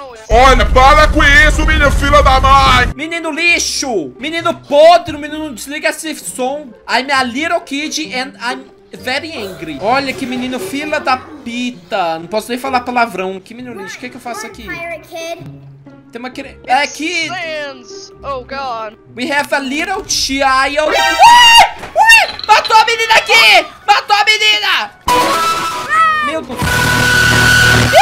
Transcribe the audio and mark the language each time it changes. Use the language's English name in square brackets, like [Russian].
[Portuguese] Olha, para com isso, menino filho da mãe! Menino lixo! Menino podre, menino, desliga esse som. [English] I'm a little kid and I'm very angry. [Portuguese] Olha que menino fila da pita. Não posso nem falar palavrão. Que menino lixo, o que é que eu faço aqui? Tem uma criança. É aqui! [English] Sans. Oh, God. We have a little child. Ui! [Portuguese] Matou a menina aqui! Matou a menina! Meu Deus!